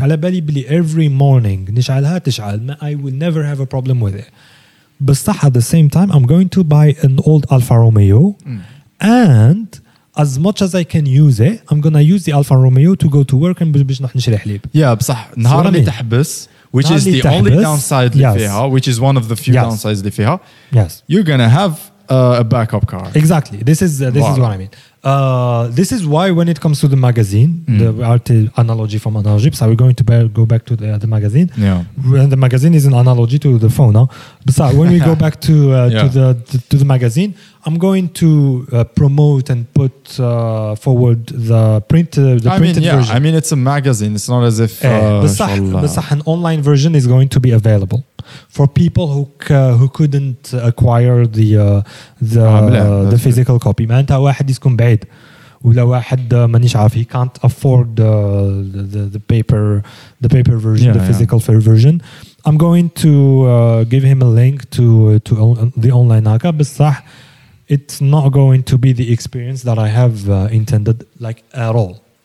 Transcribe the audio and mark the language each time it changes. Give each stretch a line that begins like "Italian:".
Arabic: على بالي بلي
English: every morning
Arabic: نشعلها تشعل.
English: I will never have a problem with it. But at the same time, I'm going to buy an old Alfa Romeo and as much as I can use it, I'm going to use the Alfa Romeo to go to work and we're going to buy a car. Yeah, but the day that you stop, which is the only downside
Arabic: لفيها,
English: which is one of the few downsides لفيها. Yes. You're going to have a backup car. Exactly. This is this is what I mean. This is why when it comes to the magazine, the art analogy from analogy, so we're going to go back to the magazine. Yeah. When the magazine is an analogy to the phone. Huh? But so when we go back to to the magazine, I'm going to promote and put forward the printed version. I mean, it's a magazine. It's not as if... an online version is going to be available for people who couldn't acquire the physical copy.
Arabic: ما أنت واحد يسكن بعيد ولا واحد مانيش عارف.
English: He can't afford the paper version, physical version. I'm going to give him a link to the online haka.
Arabic: بصح
English: it's not going to be the experience that I have intended, like at all.